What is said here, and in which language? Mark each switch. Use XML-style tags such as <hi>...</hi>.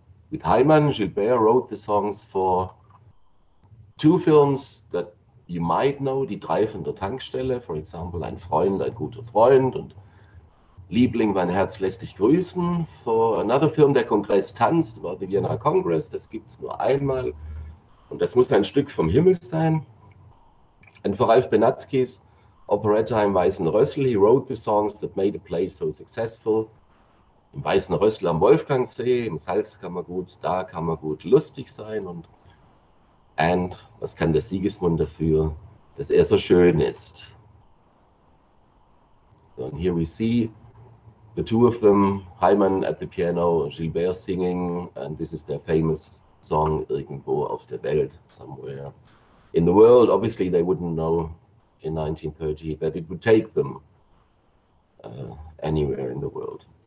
<en>With Heimann, Gilbert wrote the songs for two films that you might know, Die drei von der Tankstelle, for example, Ein Freund, ein guter Freund, and Liebling, mein Herz lässt dich grüßen. For another film, Der Kongress tanzt, about the Vienna Congress,</en> <de>das gibt's nur einmal, und das muss ein Stück vom Himmel sein.</de> <en>And for Ralph Benatzky's operetta Im Weißen Rössel, he wrote the songs that made the play so successful.</en> <de>Im Weißen Rössel am Wolfgangsee, im Salzkammergut, da kann man gut lustig sein. Und was kann der Sigismund dafür, dass so schön ist?</de> <en>So, and here we see the two of them, Heimann at the piano, Gilbert singing, and this is their famous song, Irgendwo auf der Welt, somewhere in the world. Obviously, they wouldn't know in 1930 that it would take them anywhere in the world.</en>